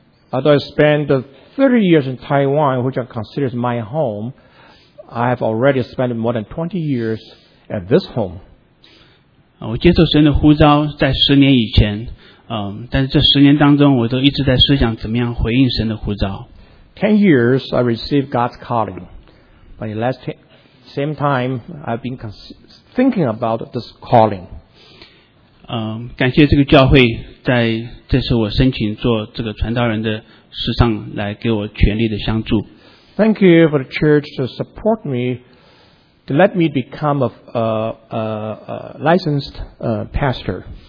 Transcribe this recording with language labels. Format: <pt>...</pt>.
<en>Although I spent 30 years in Taiwan, which I consider my home, I have already spent more than 20 years at this home.</en> <zh>我接受神的呼召在10年以前， 但是这10年当中我都一直在思想怎么样回应神的呼召。</zh> <en>10 years I received God's calling, but at the same time, I've been thinking about this calling.</en> <zh>感谢这个教会在这次我申请做这个传道人的事上来给我全力的相助。</zh> <en>Thank you for the church to support me, to let me become a licensed pastor.</en>